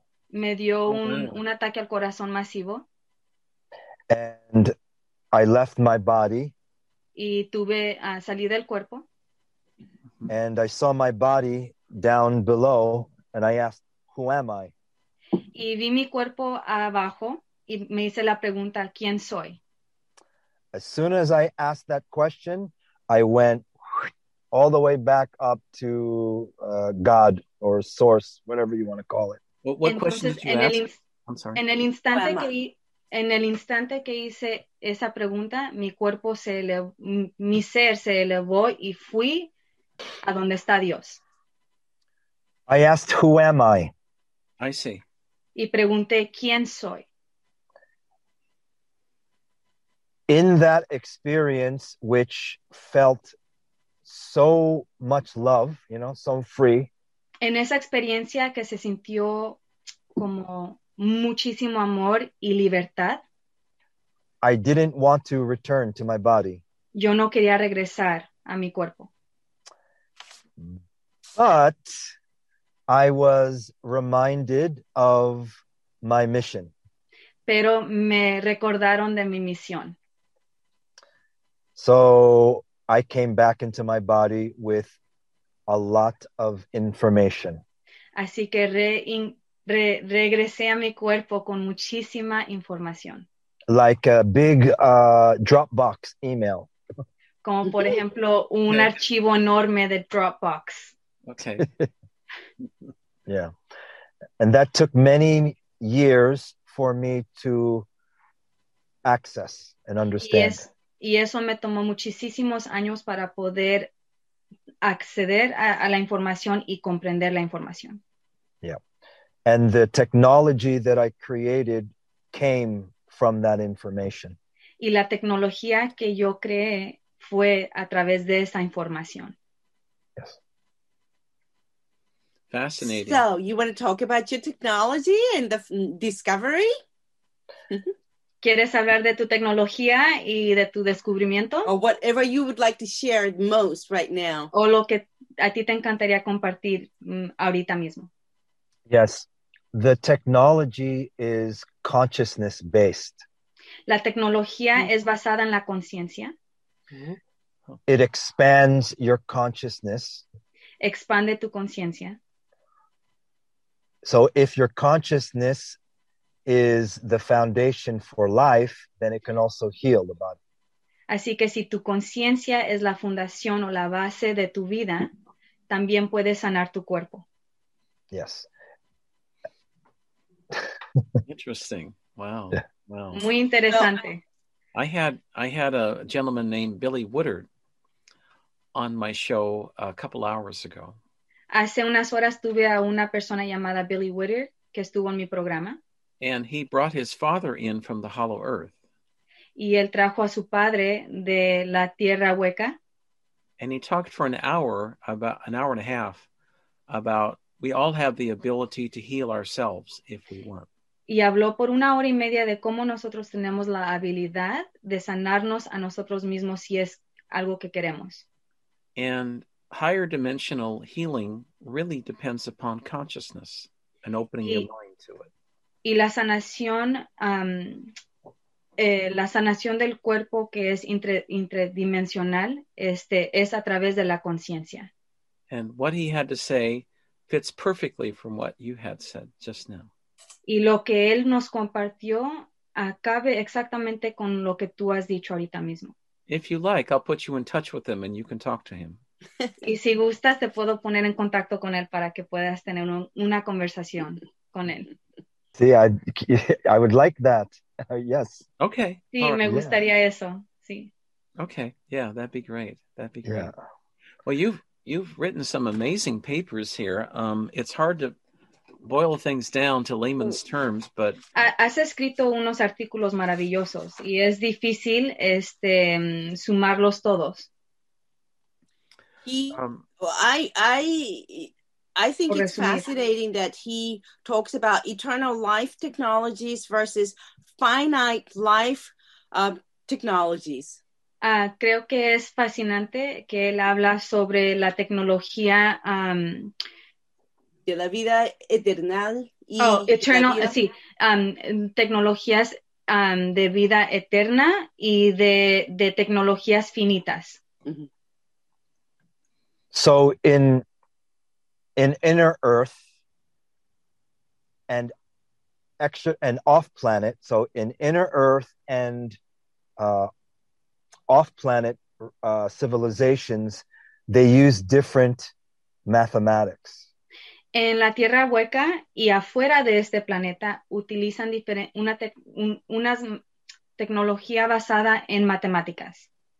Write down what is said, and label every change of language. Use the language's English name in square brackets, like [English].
[Spanish] Me dio un ataque al corazón masivo. [English] And I left my body. [Spanish] Y tuve salí del cuerpo. [English] And I saw my body down below, and I asked, "Who am I?" [Spanish] Y vi mi cuerpo abajo y me hice la pregunta, ¿quién soy? [English] As soon as I asked that question, I went all the way back up to God or Source, whatever you want to call it. What question did you ask? I'm sorry. [Spanish] En el instante que hice esa pregunta, mi cuerpo se elevó, mi ser se elevó y fui a donde está Dios. [English] I asked, "Who am I?" I see. [Spanish] Y pregunté, ¿quién soy? [English] In that experience, which felt so much love, you know, so free. [Spanish] En esa experiencia que se sintió como muchísimo amor y libertad. [English] I didn't want to return to my body. [Spanish] Yo no quería regresar a mi cuerpo. [English] But I was reminded of my mission. [Spanish] Pero me recordaron de mi misión. [English] So I came back into my body with a lot of information. [Spanish] Así que regresé a mi cuerpo con muchísima información. [English] Like a big Dropbox email. [Spanish] Como por ejemplo un archivo enorme de Dropbox. [English] Okay. Yeah. And that took many years for me to access and understand. [Spanish] Y eso me tomó muchísimos años para poder acceder a la información y comprender la información. [English] Yeah. And the technology that I created came from that information. [Spanish] Y la tecnología que yo creé fue a través de esa información. [English] Yes. Fascinating. So, you want to talk about your technology and the discovery? [Spanish] ¿Quieres hablar de tu tecnología y de tu descubrimiento? [English] Or whatever you would like to share most right now. [Spanish] O lo que a ti te encantaría compartir ahorita mismo. [English] Yes. The technology is consciousness based. [Spanish] La tecnología es basada en la conciencia. Mm-hmm. [English] It expands your consciousness. [Spanish] Expande tu conciencia. [English] So if your consciousness is the foundation for life, then it can also heal the body. [Spanish] Así que si tu conciencia es la fundación o la base de tu vida, también puedes sanar tu cuerpo. [English] Yes. Interesting. Wow. Wow. [Spanish] Muy interesante. [English] I had a gentleman named Billy Woodard on my show a couple hours ago. [Spanish] Hace unas horas tuve a una persona llamada Billy Woodard que estuvo en mi programa. [English] And he brought his father in from the hollow earth. [Spanish] Y él trajo a su padre de la tierra hueca. [English] And he talked for an hour and a half about we all have the ability to heal ourselves if we want. [Spanish] Y habló por una hora y media de cómo nosotros tenemos la habilidad de sanarnos a nosotros mismos si es algo que queremos. [English] And higher dimensional healing really depends upon consciousness and opening your mind to it. [Spanish] Y la sanación del cuerpo que es interdimensional, es a través de la conciencia. [English] And what he had to say fits perfectly from what you had said just now. [Spanish] Y lo que él nos compartió cabe exactamente con lo que tú has dicho ahorita mismo. [English] If you like, I'll put you in touch with him and you can talk to him. [Spanish] Y si gustas, te puedo poner en contacto con él para que puedas tener una conversación con él. Sí, [English] I would like that. Yes. Okay. [Spanish] Sí, me gustaría eso. Sí. [English] Okay. Yeah, that'd be great. That'd be great. Yeah. Well, you've written some amazing papers here. It's hard to boil things down to layman's terms, but [Spanish] has escrito unos artículos maravillosos y es difícil sumarlos todos. [English] I think it's fascinating that he talks about eternal life technologies versus finite life technologies. [Spanish] Creo que es fascinante que él habla sobre la tecnología de la vida eterna. Tecnologías de vida eterna y de tecnologías finitas. Mm-hmm. [English] So in inner earth and extra and off planet, so in inner earth and off planet civilizations, they use different mathematics. [Spanish] En la tierra hueca y afuera de este planeta utilizan una tecnología basada en matemáticas.